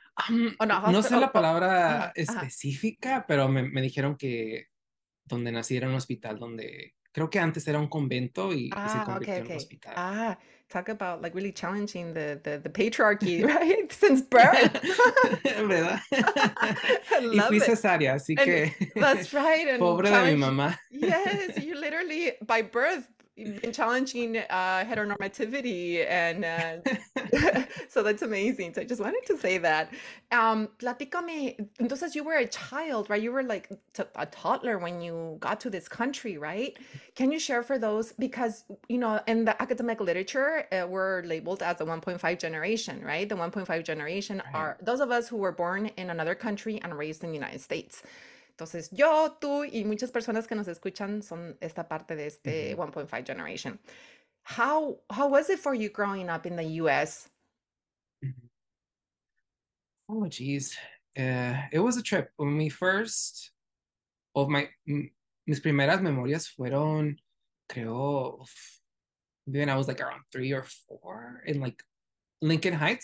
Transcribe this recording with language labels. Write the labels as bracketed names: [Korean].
[Spanish] No sé la palabra específica, pero me dijeron que donde nací era un hospital donde creo que antes era un convento y se convirtió en un hospital. [English] Ah, talk about like really challenging the patriarchy, right? Since birth. [Spanish] ¿Verdad? Y fui cesárea, así que. [English] That's right. [Spanish] And pobre de mi mamá. [English] Yes, you literally by birth. You've been challenging heteronormativity, and so that's amazing. So I just wanted to say that. [Spanish] Platícame, entonces [English] you were a child, right? You were like a toddler when you got to this country, right? Can you share for those? Because, you know, in the academic literature, we're labeled as the 1.5 generation, right? The 1.5 generation right. Are those of us who were born in another country and raised in the United States. [Spanish] Entonces, yo, tú y muchas personas que nos escuchan son esta parte de este 1.5 generation. [English] How was it for you growing up in the US? Oh, geez. It was a trip. My first of my [Spanish] mis primeras memorias fueron, creo, [English] then I was like around 3 or 4 in like Lincoln Heights.